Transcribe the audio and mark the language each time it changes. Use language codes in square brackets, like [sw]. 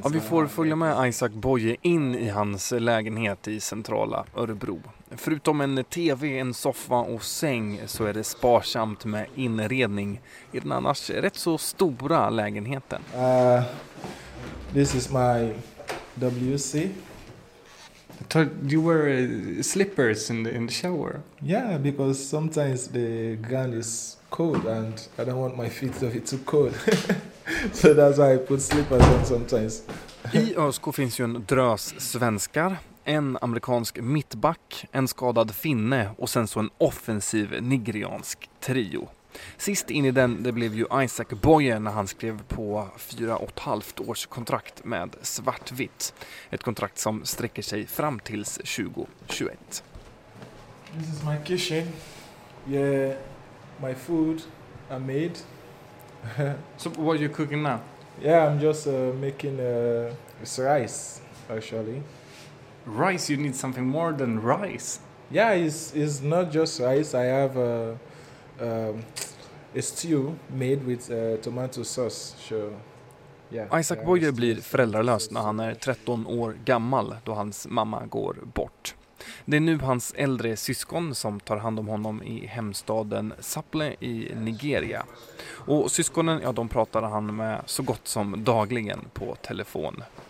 [sv] Ja, vi får följa med Isak Boye in i hans lägenhet i centrala Örebro. Förutom en tv, en soffa och säng så är det sparsamt med inredning i den annars rätt så stora lägenheten. [en] This is my WC. I thought you wear slippers in the shower. Yeah, because sometimes the ground is cold and I don't want my feet to be too cold. So that's why I put slippers on sometimes. [sv] I ÖSK finns ju en drös svenskar, en amerikansk mittback, en skadad finne och sen så en offensiv nigeriansk trio. Sist in i den, det blev ju Isaac Boye när han skrev på 4,5 års kontrakt med Svartvitt. Ett kontrakt som sträcker sig fram tills 2021. [en] This is my kitchen. Yeah, my food I made. So what are you cooking now? Yeah, I'm just making rice, actually. Rice? You need something more than rice? Yeah, it's not just rice. I have a stew made with tomato sauce. So, yeah. [sv] Isaac Boye blir föräldralös när han är 13 år gammal då hans mamma går bort. Det är nu hans äldre syskon som tar hand om honom i hemstaden Sapele i Nigeria. Och syskonen, ja, de pratar han med så gott som dagligen på telefon.